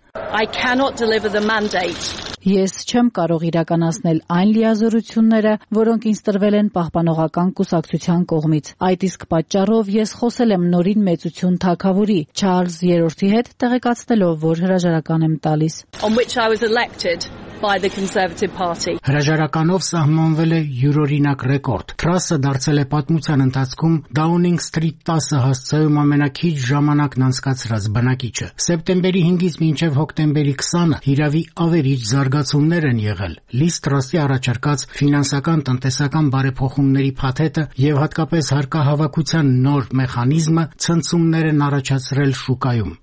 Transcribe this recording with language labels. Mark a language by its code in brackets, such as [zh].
[en] I cannot deliver the mandate. [hy] Ես չեմ կարող իրականացնել այն լիազորությունները, որոնք ինձ տրվել են պահպանողական կուսակցության կողմից։ Այդ իսկ պատճառով ես խոսել եմ նորին մեծություն թագավորի Չարլզ 3-ի հետ, տեղեկացնելով, որ հրաժարական եմ տալիս։ [en] On which I was elected by the Conservative Party. [hy] Հրաժարականով սահմանվել է յուրօրինակ ռեկորդ։ Թրասը դարձել է պատմության ընթացքում Downing Street 10 հասցեում ամենաքիչ ժամանակն անցկացրած բնակիչը։ Սեպտեմբերի 5-ից մինչև հոկտեմբերի 20-ը հիրավի ավերիչ զարգացումներ են եղել։ Լիզ Թրասի առաջարկած ֆինանսական տնտեսական բարեփոխումների փաթեթը եւ հատկապես հարկահավաքության նոր մեխանիզմը ցնցումներ են առաջացրել շուկայում։